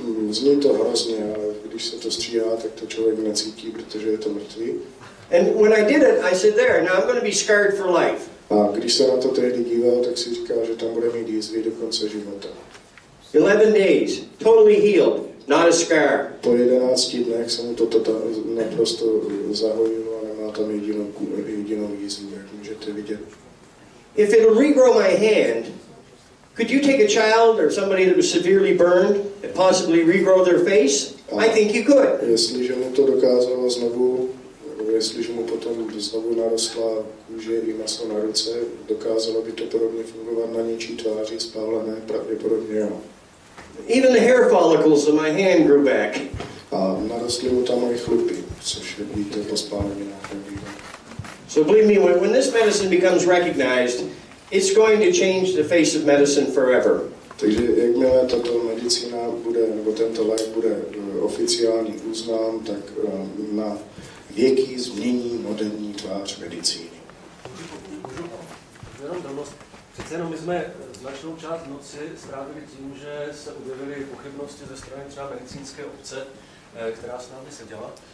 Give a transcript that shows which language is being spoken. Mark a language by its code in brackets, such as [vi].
[cs] Zní to hrozně, ale když se to stříhá, tak to člověk necítí, protože je to mrtvý. [en] And when I did it, I said, there, now I'm going to be scarred for life. [cs] A když se na to tehdy díval, tak si říkal, že tam bude mít jízvy do konce života. [en] 11 days, totally healed. Not a scar. [cs] Po 11 dnech se mu to naprosto zahojilo a nemá tam jedinou jízvu, jak můžete vidět. [en] If it'll regrow my hand, could you take a child or somebody that was severely burned and possibly regrow their face? I think you could. [cs] Jestliže mu to dokázalo znovu, jestliže mu potom znovu narostla kůže i maso na ruce, dokázalo by to podobně fungovat na něčí tváři spálené, pravděpodobně jo. [en] Even the hair follicles on my hand grew back. [cs] A narostly mu tam i chlupy, což vidíte po spálení na hrudi. [en] So believe me, when this medicine becomes recognized, it's going to change the face of medicine forever. [cs] Takže jakmile tato medicína bude, nebo tento lék bude oficiálně uznán, tak na věky změní moderní tvář medicíny. Přece jenom my jsme značnou část noci strávili tím, že se objevily pochybnosti ze strany třeba medicínské obce, která s námi seděla.